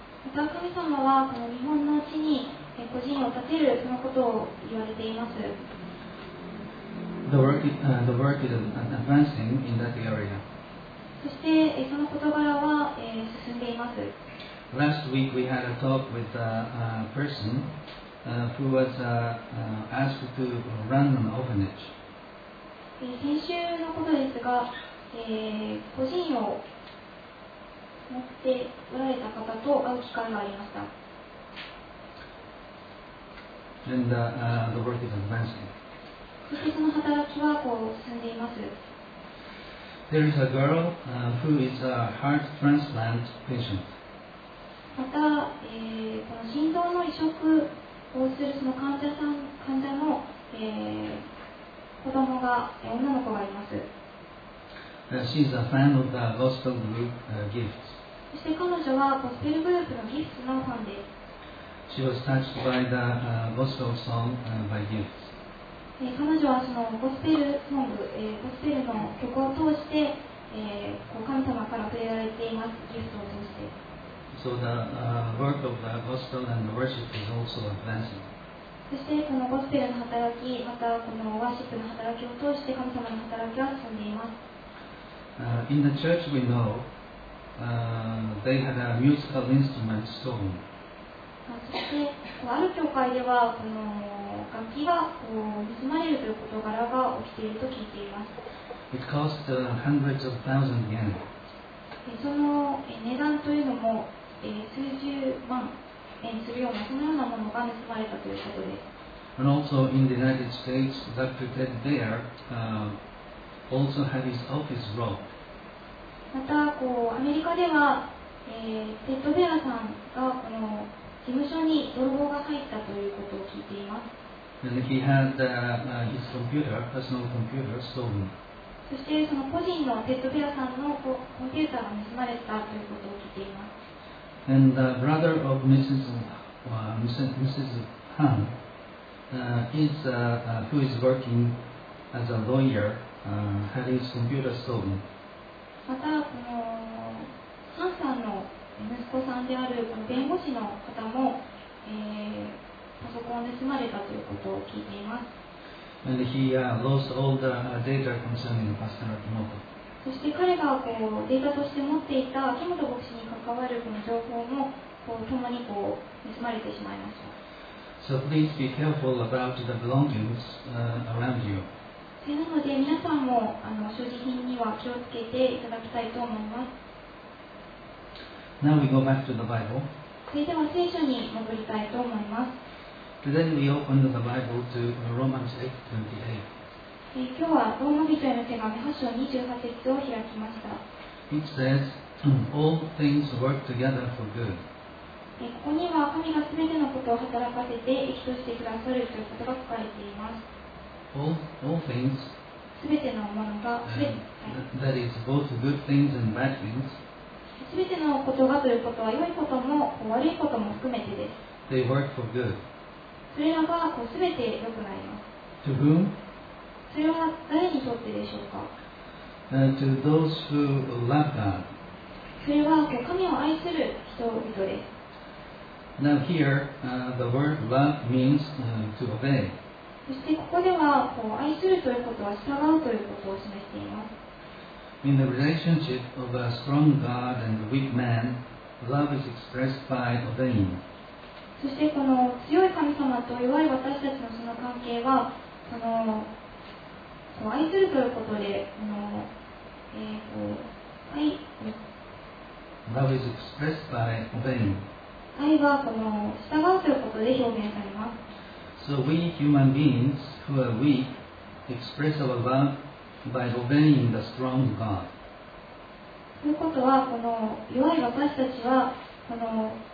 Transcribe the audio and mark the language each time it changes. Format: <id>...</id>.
<ja>また神様はこの日本の地に個人を建てるそのことを言われています。</ja> <en>The work is advancing in that area.</en> <ja>そしてその事柄は、進んでいます。</ja> <en>Last week we had a talk with a person who was asked to run an orphanage.</en> <ja>先週のことですが、個人を持っておられた方と会う機会がありました。</ja> <en>And the work is advancing.</en> <ja>そしてその働きはこう進んでいます。</ja> <en>There is a girl, who is a heart transplant patient.</en> <ja>また、この心臓の移植をするその患者さん、患者の、子供が、女の子がいます。</ja> <en>She is a fan of the gospel group, Gifts.</en> <ja>そして彼女はゴスペルグループの Gifts のファンです。</ja> <en>She was touched by the, gospel song, by Gifts.</en> <ja>彼女はそのゴスペルソング、ゴスペルの曲を通して、神様から触れられています。ギフトを通して。</ja> <en>So the, work of the gospel and the worship is also advancing.</en> <ja>そしてこのゴスペルの働き、またこのワーシップの働きを通して神様の働きは進んでいます。</ja> <en>In the church we know, they had a musical instrument stolen.</en> <ja>そしてこうある教会ではこの楽器が盗まれるという事柄が起きていると聞いています。</ja> <en>It cost, hundreds of thousand yen.</en> <ja>その値段というのも、数十万円するようなそのようなものが盗まれたということです。</ja> <en>And also in the United States, Dr. Ted Baer, also had his office robbed.</en> <ja>またこうアメリカでは、テッド・ベアさんがこの事務所に泥棒が入ったということを聞いています。</ja> <en>And he had, his computer, personal computer stolen.</en> <ja>そしてその個人のテッド・ベアさんのコンピューターが盗まれたということを聞いています。</ja> <en>And the brother of Mrs. Mrs. Han, is, who is working as a lawyer, had his computer stolen.</en> <ja>またこのハンさんの息子さんであるこの弁護士の方も、パソコンで盗まれたということを聞いています。</ja> <en>And he, lost all the, data concerning the pastor Akimoto.</en> <ja>そして彼がこうデータとして持っていた秋元牧師に関わるこの情報もこう共にこう盗まれてしまいました。</ja> <en>So please be careful about the belongings, around you.</en> <ja>それなので皆さんも所持品には気をつけていただきたいと思います。</ja> <en>Now we go back to the Bible.</en> <ja>それでは聖書に戻りたいと思います。</ja> <en>Today we open the Bible to Romans 8:28.</en> <ja>今日はローマ人への手紙8章28節を開きました。</ja> <en>It says, "All things work together for good."</en> <ja>ここには神がすべてのことを働かせて益としてくださるということが書かれています。</ja> <en>All things.</en> <ja>すべてのものが、</ja> <en>That is both good things and bad things.</en> <ja>すべてのことがということは良いことも悪いことも含めてです。</ja> <en>They work for good.</en> <ja>それらがこう全て良くなります。</ja> <en>To whom?</en> <ja>それは誰にとってでしょうか。</ja> <en>To those who love God.</en> <ja>それはこう神を愛する人々です。</ja> <en>Now here, the word love means, to obey.</en> <ja>そしてここではこう愛するということは従うということを示しています。</ja> <en>In the relationship of a strong God and a weak man, love is expressed by obeying.</en> <ja>そしてこの強い神様と弱い私たちのその関係はこの愛するということでこの、愛</ja> <en>Love is expressed by obeying.</en> <ja>愛はこの従うということで表現されます。</ja> <en>So we human beings who are weak express our love by obeying the strong God.</en> <ja>ということはこの弱い私たちはこの、</ja>